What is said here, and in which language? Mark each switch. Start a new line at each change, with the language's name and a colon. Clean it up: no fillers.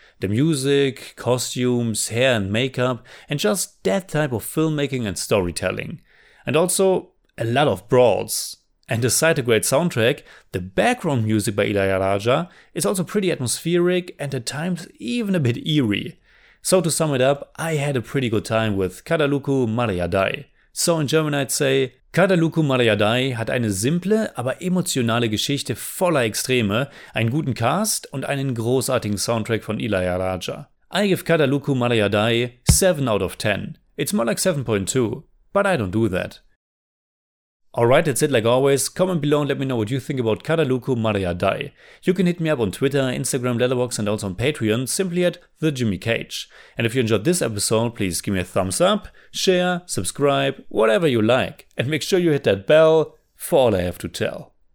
English: The music, costumes, hair and makeup, and just that type of filmmaking and storytelling. And also, a lot of brawls. And aside a great soundtrack, the background music by Ilaiyaraja is also pretty atmospheric and at times even a bit eerie. So to sum it up, I had a pretty good time with Kadhalukku, Mariyadhai. So in German I'd say,
German: Kadhalukku, Mariyadhai hat eine simple, aber emotionale Geschichte voller Extreme, einen guten Cast und einen großartigen Soundtrack von Ilaiyaraja.
English: I give Kadhalukku, Mariyadhai 7 out of 10. It's more like 7.2, but I don't do that. Alright, that's it like always. Comment below and let me know what you think about Kadhalukku, Mariyadhai. You can hit me up on Twitter, Instagram, Letterboxd and also on Patreon, simply at TheJimmyCage. And if you enjoyed this episode, please give me a thumbs up, share, subscribe, whatever you like. And make sure you hit that bell for all I have to tell.